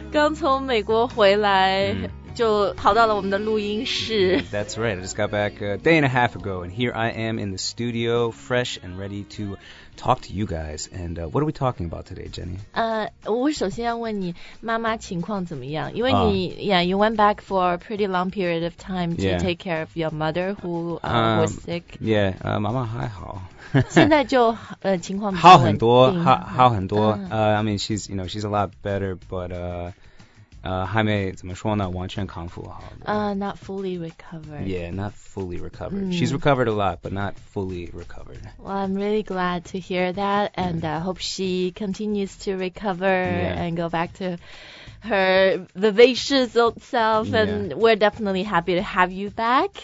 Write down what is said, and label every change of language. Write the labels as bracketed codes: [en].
[zh] 刚从美国回来，就跑到了我们的录音室。 [en] That's right, I just got back a day and a half ago, and here I am in the studio, fresh and ready to talk to you guys. And what are we talking about today, Jenny? [zh] 我首先要问你妈妈情况怎么样，因为你、 [en] yeah, you went back for a pretty long period of time to、 yeah. take care of your mother who was sick. [zh] Yeah, 妈妈还好。现在就情况好很多，好很多。 [en] I mean, she's, you know, she's a lot better, but... [zh] 还没怎么说呢，完全康复好。 [en] Not fully recovered. Yeah, not fully recovered.、Mm. She's recovered a lot, but not fully recovered. Well, I'm really glad to hear that, and I hope she continues to recover、 yeah. and go back to her vivacious old self. And、 yeah. we're definitely happy to have you back.